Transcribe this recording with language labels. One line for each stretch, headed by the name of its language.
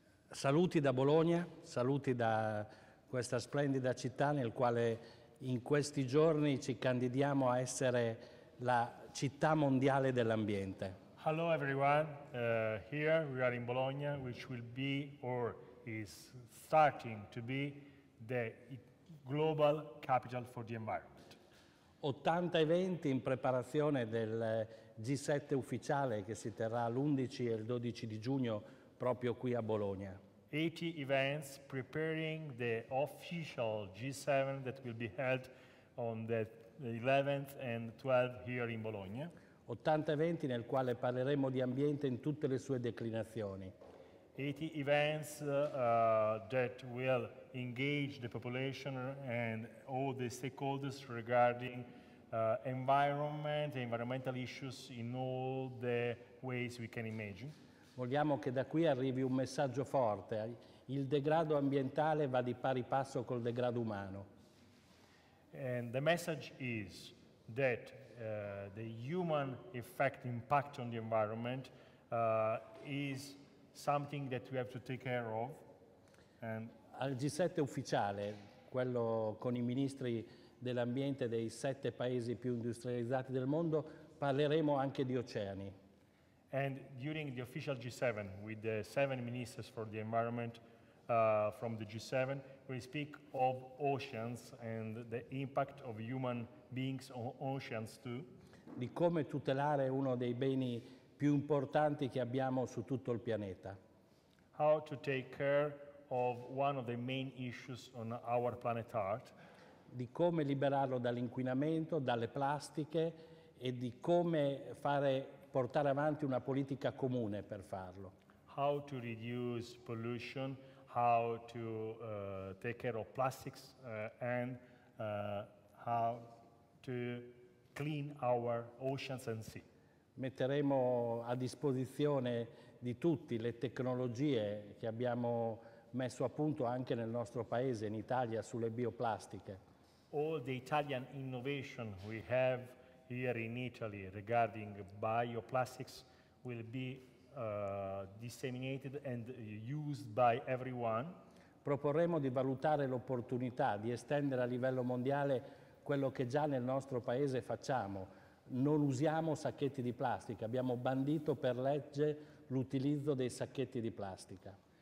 Italian: Saluti da Bologna, saluti da questa splendida città nel quale in questi giorni ci candidiamo a essere la città mondiale dell'ambiente.
English: Hello everyone. Here we are in Bologna, which will be or is starting to be the global capital for the environment.
Italian: 80 eventi in preparazione del G7 ufficiale che si terrà l'11 e il 12 di giugno proprio qui a Bologna.
English: 80 events preparing the official G7 that will be held on the 11th and 12th here in Bologna.
Italian: 80 eventi nel quale parleremo di ambiente in tutte le sue declinazioni.
English: 80 events that will engage the population and all the stakeholders regarding environment and environmental issues in all the ways we can imagine.
Italian: Vogliamo che da qui arrivi un messaggio forte. Il degrado ambientale va di pari passo col degrado umano.
English: And the message is that the human effect impact on the environment is something that we have to take care of.
Italian: And al G7 ufficiale, quello con i ministri dell'ambiente dei 7 paesi più industrializzati del mondo, parleremo anche di oceani.
English: And during the official G7 with the 7 ministers for the environment from the G7, we speak of oceans and the impact of human beings on oceans too.
Italian: Di come tutelare uno dei beni più importanti che abbiamo su tutto il pianeta.
English: How to take care of one of the main issues on our planet Earth.
Italian: Di come liberarlo dall'inquinamento, dalle plastiche e di come fare portare avanti una politica comune per farlo.
English: How to reduce pollution, how to take care of plastics and how to clean our oceans and sea.
Italian: Metteremo a disposizione di tutti le tecnologie che abbiamo messo a punto anche nel nostro paese, in Italia, sulle bioplastiche.
English: All the Italian innovation we have here in Italy regarding bioplastics will be disseminated and used by everyone.
Italian: Proporremo di valutare l'opportunità di estendere a livello mondiale quello che già nel nostro paese facciamo. Non usiamo sacchetti di plastica, abbiamo bandito per legge l'utilizzo dei sacchetti di plastica.